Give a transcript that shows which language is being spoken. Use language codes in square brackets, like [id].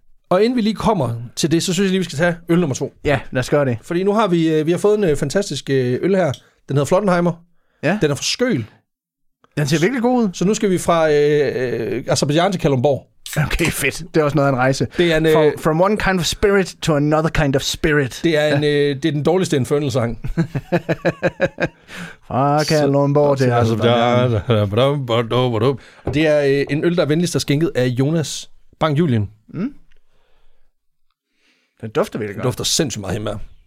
[da] Og inden vi lige kommer til det, så synes jeg lige, vi skal tage øl nummer 2. Ja, lad os gøre det. Fordi nu har vi har fået en fantastisk øl her. Den hedder Flottenheimer. Ja. Den er fra Skøl. Den ser virkelig god ud. Så nu skal vi fra Azerbaijan til Kalundborg. Okay, fedt. Det er også noget af en rejse. Det er en, [en] from one kind of spirit to another kind of spirit. [da] Det er, det er den dårligste indfødelsesang. Fra Kalundborg til Azerbaijan. Det er en øl, der er venligst skænket af Jonas Bang Julien. Mm. Den dufter virkelig godt. Den dufter sindssygt meget hjemme.